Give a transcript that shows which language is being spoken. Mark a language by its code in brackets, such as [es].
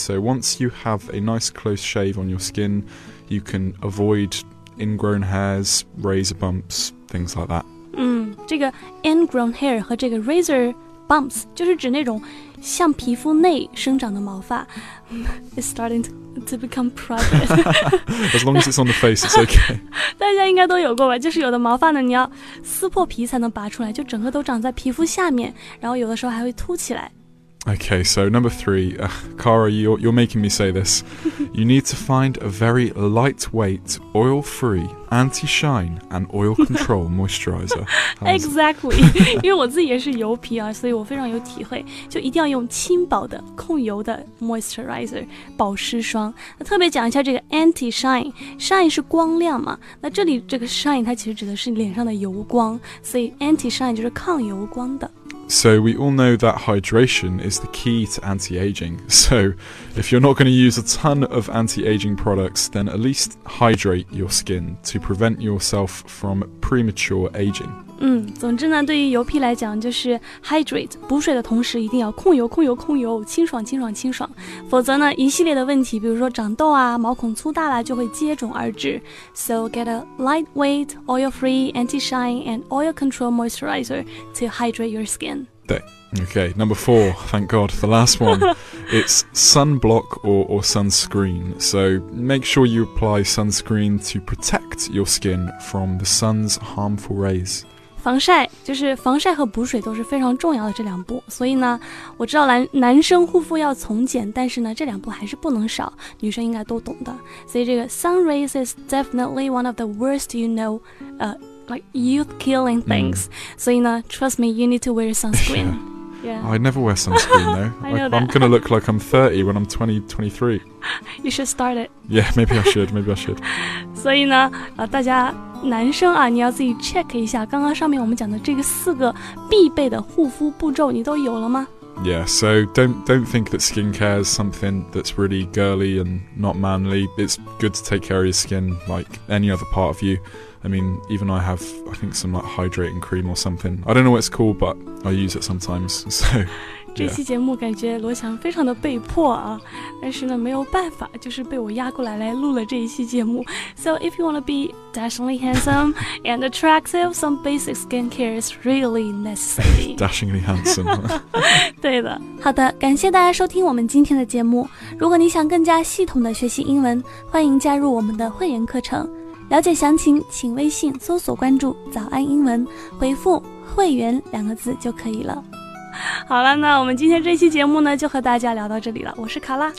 [en] So once you have a nice close shave on your skin, you can avoidingrown hairs, razor bumps, things like that. [zh] 这个 ingrown hair 和这个 razor bumps 就是指那种像皮肤内生长的毛发。 [en] It's starting to become private. As long as it's on the face, it's okay. [zh] 大家应该都有过吧，就是有的毛发呢你要撕破皮才能拔出来，就整个都长在皮肤下面，然后有的时候还会凸起来。 [en] Okay, so number three, Cara, you're making me say this. You need to find a very lightweight, oil-free, anti-shine and oil-control moisturizer. Exactly. [zh] 因为我自己也是油皮啊，所以我非常有体会，就一定要用轻薄的控油的 moisturizer 保湿霜。那特别讲一下这个 anti-shine， shine 是光亮嘛，那这里这个 shine 它其实指的是脸上的油光，所以 anti-shine 就是抗油光的。 [en] So we all know that hydration is the key to anti-aging. So if you're not going to use a ton of anti-aging products, then at least hydrate your skin to prevent yourself from premature aging. [zh] 嗯，总之呢，对于油皮来讲，就是 hydrate 补水的同时，一定要控油、控油、控油，清爽、清爽、清爽，否则呢，一系列的问题，比如说长痘啊、毛孔粗大啦，就会接踵而至。 [en] So get a lightweight, oil-free, anti-shine, and oil-control moisturizer to hydrate your skin. [zh] 对。 [en] Okay, number four, thank God, the last one. It's sunblock or sunscreen. So make sure you apply sunscreen to protect your skin from the sun's harmful rays. [zh] 防晒就是防晒和补水都是非常重要的这两步。所以呢，我知道男生护肤要从简，但是呢，这两步还是不能少，女生应该都懂的。所以这个 [en] sun rays is definitely one of the worst, you know, like youth killing things. So, you know, trust me, you need to wear sunscreen. Yeah. I never wear sunscreen, though. I know that. I'm going to look like I'm 30 when I'm 23. You should start it. Yeah, maybe I should. [zh] 所以呢，大家男生啊，你要自己 check 一下刚刚上面我们讲的这个四个必备的护肤步骤，你都有了吗？ [en] Yeah, so don't think that skincare is something that's really girly and not manly. It's good to take care of your skin like any other part of you. I mean, even I have, I think, some like hydrating cream or something. I don't know what it's called, but I use it sometimes, so... [zh] 这期节目感觉罗翔非常的被迫啊，但是呢没有办法，就是被我压过来来录了这一期节目。 [en] So if you want to be dashingly handsome and attractive, some basic skincare is really necessary. Dashingly handsome. [zh] 对的。好的，感谢大家收听我们今天的节目。如果你想更加系统的学习英文，欢迎加入我们的会员课程。了解详情请微信搜索关注早安英文，回复会员两个字就可以了。好了，那我们今天这期节目呢，就和大家聊到这里了。我是卡拉，